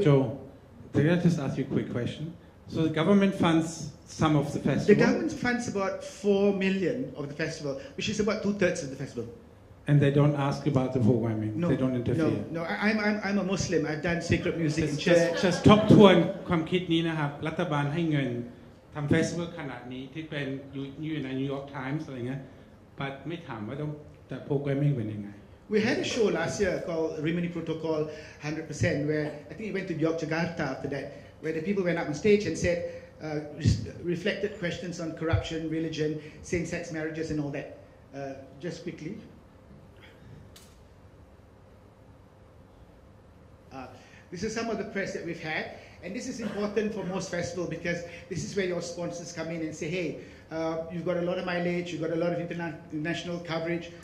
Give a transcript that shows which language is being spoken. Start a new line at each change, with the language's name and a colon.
English: Joe, can I just ask you a quick question? So the government funds some of the festival? The government funds about 4 million of the festival, which is about 2/3 of the festival. And they don't ask about the programming? No. They don't interfere? No, no. I'm a Muslim. I've done sacred music just, in church. Just top two and come kid Nina have Lataban Hangan.
Thai: ทำเฟสติวัลขนาดนี้ที่เป็นอยู่ในนิวยอร์กไทมส์อะไรเงี้ย but ไม่ถามว่าต้องแต่โปรแกรมมิ่งเป็นยังไง
English: We had a show last year called Rimini Protocol 100% where I think it went to Yogyakarta after that where the people went up on stage and said reflected questions on corruption, religion, same-sex marriages and all that just quickly this is some of the press that we've hadAnd this is important for most festivals because this is where your sponsors come in and say, hey, you've got a lot of mileage, you've got a lot of international coverage.